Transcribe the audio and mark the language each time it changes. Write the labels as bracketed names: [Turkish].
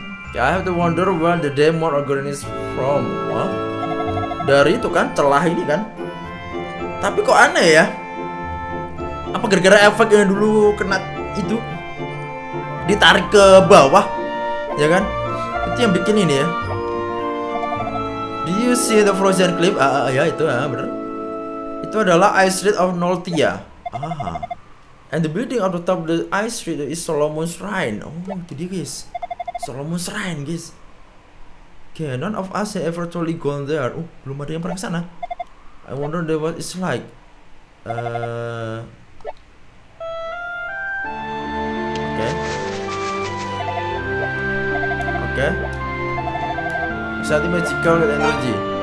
[English] Okay, I have to wonder where the demon organ is from. Huh? [Indonesian] Dari itu kan celah ini kan. Tapi kok aneh ya? Apa gara-gara efek yang dulu kena itu ditarik ke bawah, ya kan? Itu yang bikin ini ya. [English] Do you see the frozen cliff? [Indonesian] Ya itu ya, bener. Itu adalah Ice Street of Noltia. Ah. [English] And the building on the top of the Ice Street is Solomon's Shrine. [Indonesian] Oh, itu dia guys. [English] Solomon's Shrine, guys. Okay, none of us have ever truly gone there. [Indonesian] Oh, belum ada yang pernah kesana. [English] I wonder what it's like. Okay. [Indonesian] Bisa di magical dan energi.